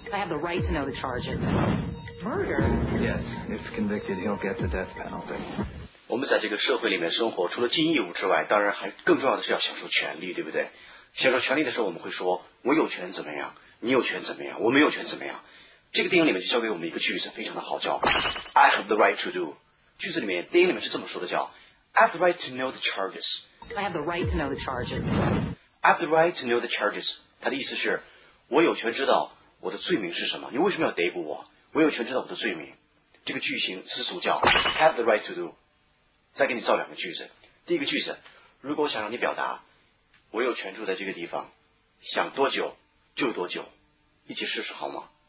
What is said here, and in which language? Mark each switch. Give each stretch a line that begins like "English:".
English: I have the right to know the charges. Murder? Yes, if convicted, he'll get the death penalty.
Chinese: 我们在这个社会里面生活，除了尽义务之外，当然还更重要的是要享受权利，对不对？享受权利的时候，我们会说我有权怎么样，你有权怎么样，我没有权怎么样。这个电影里面就教给我们一个句子，非常的好，叫
English: I have the right to do.
Chinese: 句子里面，电影里面是这么说的，叫
English: I have the right to know the charges. I have the right to know the charges. I have the right to know the charges.
Chinese: 他的意思是，我有权知道我的罪名是什么。你为什么要逮捕我？我有权知道我的罪名。这个句型是俗叫 have the right to do。再给你造两个句子。第一个句子，如果我想让你表达，我有权住在这个地方，想多久就多久，一起试试好吗？